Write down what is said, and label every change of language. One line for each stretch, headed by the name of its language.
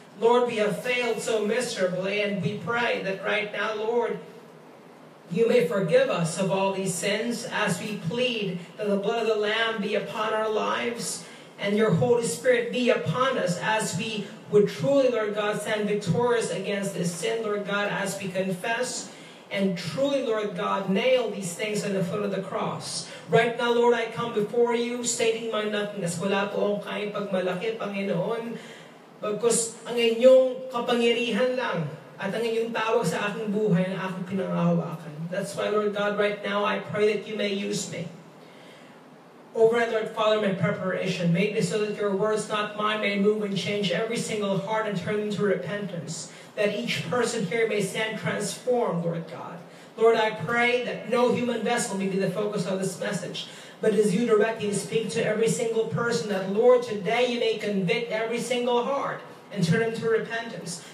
English: Lord, we have failed so miserably, and we pray that right now, Lord, you may forgive us of all these sins as we plead that the blood of the Lamb be upon our lives and your Holy Spirit be upon us as we would truly, Lord God, stand victorious against this sin, Lord God, as we confess and truly, Lord God, nail these things at the foot of the cross. Right now, Lord, I come before you stating my nothingness.
Filipino: Wala po akong kahit pagmalaki, Panginoon, bagkus ang inyong kapangyarihan lang at ang inyong tawag sa aking buhay na aking pinangahawakan.
English: That's why, Lord God, right now I pray that you may use me. Oh, brethren, Father, my preparation, make me so that your words, not mine, may move and change every single heart and turn them to repentance, that each person here may stand transformed, Lord God. Lord, I pray that no human vessel may be the focus of this message, but as you directly speak to every single person, that, Lord, today you may convict every single heart and turn them to repentance.